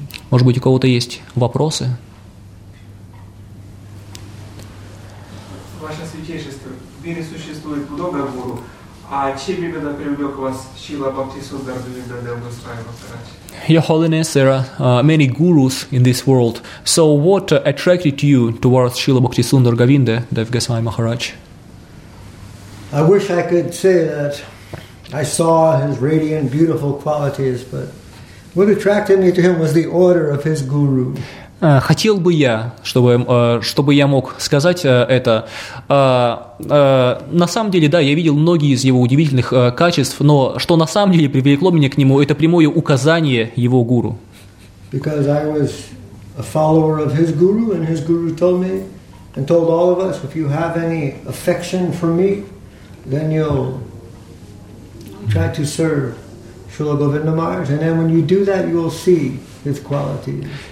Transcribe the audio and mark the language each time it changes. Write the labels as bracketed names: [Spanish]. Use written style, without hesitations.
[Russian] Может быть, у кого-то есть вопросы? Ваше святейшество, в мире существует много гуру, а чем именно привлек вас Шрила Бхактисундар Бхинда Дева Госвами Махарадж? [English] Your Holiness, there are many gurus in this world. So what attracted you towards Srila Bhaktisundar Govinda Dev Goswami Maharaj? I wish I could say that I saw his radiant, beautiful qualities, but what attracted me to him was the order of his guru. [Russian] Хотел бы я, чтобы я мог сказать это. На самом деле, да, я видел многие из его удивительных качеств, но что на самом деле привлекло меня к нему, это прямое указание его гуру. [English] Because I was a follower of his guru, and his guru told me, and told all of us, if you have any affection for me, then you'll try to serve Srila Govinda Maharaj, and then when you do that, you will see his qualities.